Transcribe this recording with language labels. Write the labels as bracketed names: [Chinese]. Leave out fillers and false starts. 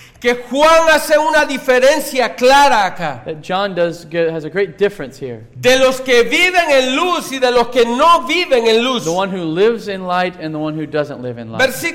[Spanish] Que Juan hace una diferencia clara acá. [English] That John has a great difference here. [Spanish] De los que viven en luz y de los que no viven en luz. [English] The one who lives in light and the one who doesn't live in light.